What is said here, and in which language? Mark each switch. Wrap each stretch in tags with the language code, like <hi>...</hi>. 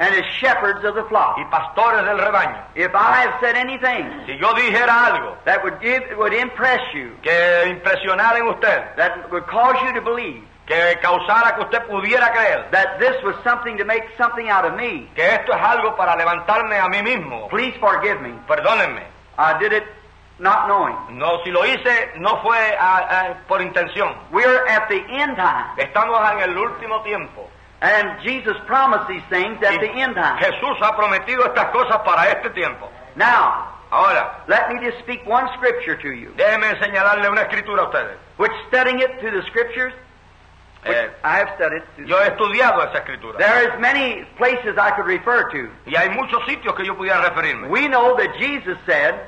<en>and as shepherds of the flock,</en> <es>y pastores del rebaño.</es> <en>If I have said anything,</en> <es>si yo dijera algo,</es> <en>that would impress you,</en> <es>que impresionara en usted,</es> <en>that would cause you to believe,</en> <es>que causara que usted pudiera creer,</es> <en>that this was something to make something out of me,</en> <es>que esto es algo para levantarme a mí mismo,</es> <en>please forgive me.</en> <es>Perdónenme.</es> <en>I did it Not knowing.</en> <es>No, si lo hice, no fue por intención.</es> <en>We are at the end time.</en> <es>Estamos en el último tiempo.</es> <en>And Jesus promised these things at the end time.</en> <es>Jesús ha prometido estas cosas para este tiempo.</es> <en>Now,</en> <es>ahora,</es> <en>let me just speak one scripture to you.</en> <es>Déjeme enseñarle una escritura a ustedes.</es> <en>Which studying it through the scriptures, I have studied.</en> <es>Yo he estudiado esa escritura.</es> <en>There is many places I could refer to.</en> <es>Y hay muchos sitios que yo pudiera referirme.</es> <en>We know that Jesus said.</en>